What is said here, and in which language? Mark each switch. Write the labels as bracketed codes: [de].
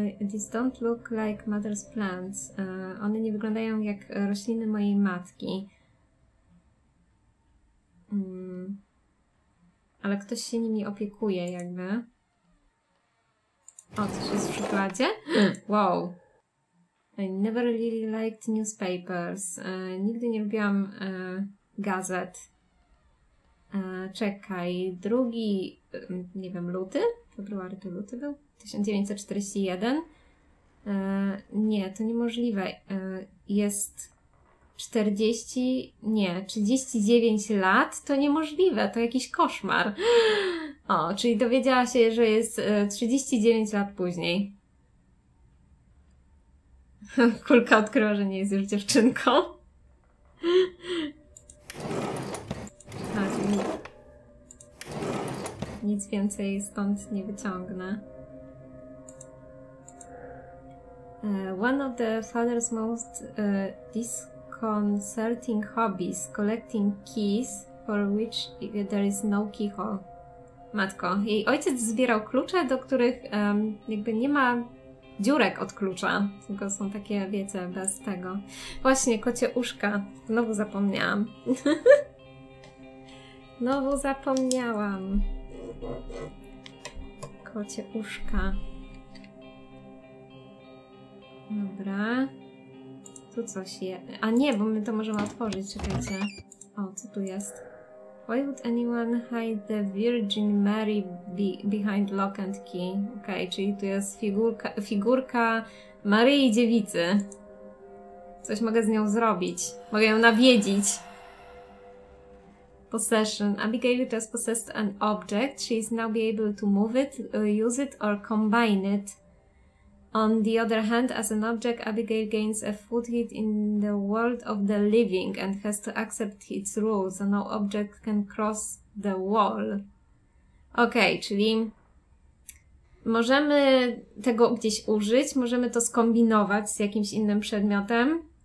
[en] These don't look like mother's plants. [pl] One nie wyglądają jak rośliny mojej matki. Ale ktoś się nimi opiekuje, jakby. O, coś jest w szufladzie? Wow. [en] I never really liked newspapers. [pl] Nigdy nie lubiłam gazet. Czekaj, drugi, nie wiem, luty? Februari to luty był? 1941? Nie, to niemożliwe. Jest 40, nie, 39 lat, to niemożliwe, to jakiś koszmar. O, czyli dowiedziała się, że jest 39 lat później. Kulka odkryła, że nie jest już dziewczynką. Nic więcej stąd nie wyciągnę. [en] One of the father's most disconcerting hobbies, collecting keys, for which there is no keyhole. [pl] Matko, jej ojciec zbierał klucze, do których jakby nie ma dziurek od klucza, tylko są takie, wiecie, bez tego. Właśnie, kocie uszka, znowu zapomniałam. Znowu zapomniałam. Kocie uszka. Dobra. Tu coś jest. A nie, bo my to możemy otworzyć, czekajcie. O, co tu jest? [en] Why would anyone hide the Virgin Mary behind lock and key? [pl] Okej, czyli tu jest figurka Maryi Dziewicy. Coś mogę z nią zrobić. Mogę ją nawiedzić. [en] Possession. Abigail just possessed an object. She is now be able to move it, use it or combine it. On the other hand, as an object, Abigail gains a foothold in the world of the living and has to accept its rules, so no object can cross the wall. [pl] Okej, czyli możemy tego gdzieś użyć, możemy to skombinować z jakimś innym przedmiotem.